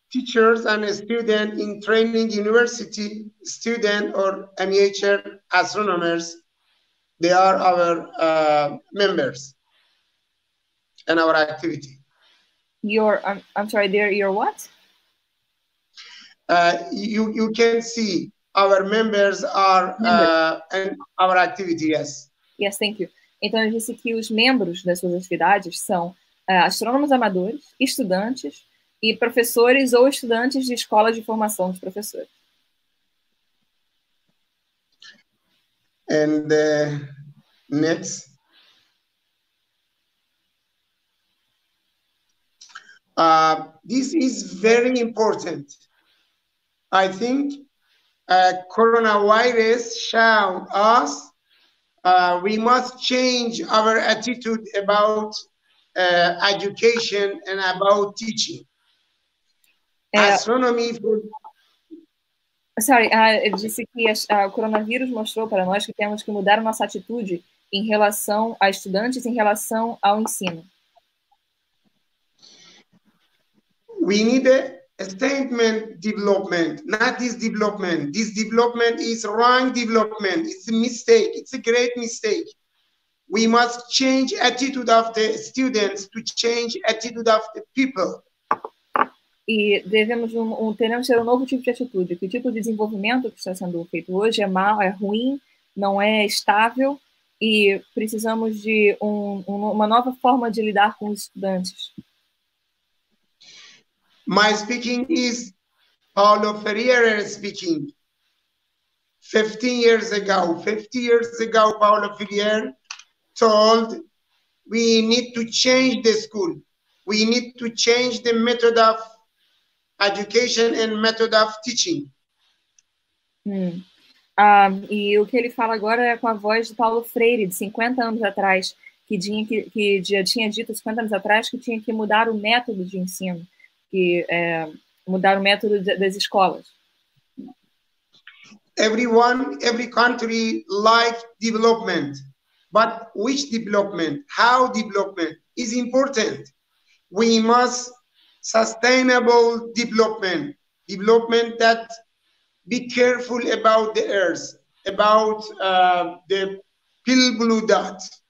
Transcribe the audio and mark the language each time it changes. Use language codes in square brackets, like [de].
[en] Teachers and students in training university student or MHR astronomers, they are our members and our activity. They're your what? You can see our members are and our activity, yes. Yes, thank you. [pt] Então, eu disse que os membros das suas atividades são astrônomos amadores, estudantes e professores ou estudantes de escola de formação de professores. [en] And next. This is very important. I think coronavirus showed us we must change our attitude about education and about teaching. Astronomy for... Sorry, [pt] eu disse que o coronavírus mostrou para nós que temos que mudar nossa atitude em relação a estudantes, em relação ao ensino. [en] We need a statement development, not this development. This development is wrong development. It's a mistake. It's a great mistake. We must change attitude of the students to change attitude of the people. [pt] E devemos teremos ter um novo tipo de atitude. Que tipo de desenvolvimento que está sendo feito hoje é mal, é ruim, não é estável e precisamos de uma nova forma de lidar com os estudantes. [en] My speaking is Paulo Ferreira speaking. 50 years ago, Paulo Ferreira told we need to change the school. We need to change the method of education and method of teaching. [pt] E o que ele fala agora é com a voz de Paulo Freire, de 50 anos atrás, que tinha dito 50 anos atrás que tinha que mudar o método de ensino. Mudar o método das escolas. [en] Everyone, every country like development, but which development, how development is important. We must sustainable development, development that be careful about the earth, about the pale blue dot.